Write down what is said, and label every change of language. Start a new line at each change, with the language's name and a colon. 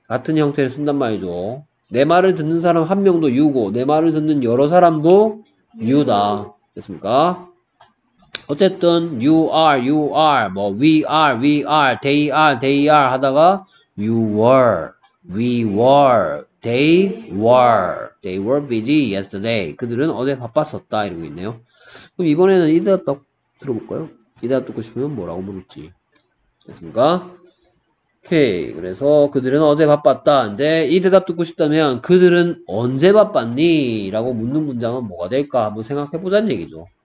Korean: 같은 형태를 쓴단 말이죠. 내 말을 듣는 사람 한 명도 유고 내 말을 듣는 여러 사람도 유다. 됐습니까? 어쨌든
English: you are,
Korean: 뭐
English: we are, they are
Korean: 하다가
English: we were, they were busy yesterday.
Korean: 그들은 어제 바빴었다 이러고 있네요. 그럼 이번에는 이 대답 딱 들어볼까요? 이 대답 듣고 싶으면 뭐라고 물을지. 됐습니까? 오케이. 그래서 그들은 어제 바빴다. 근데 이 대답 듣고 싶다면 그들은 언제 바빴니? 라고 묻는 문장은 뭐가 될까? 한번 생각해보자는 얘기죠.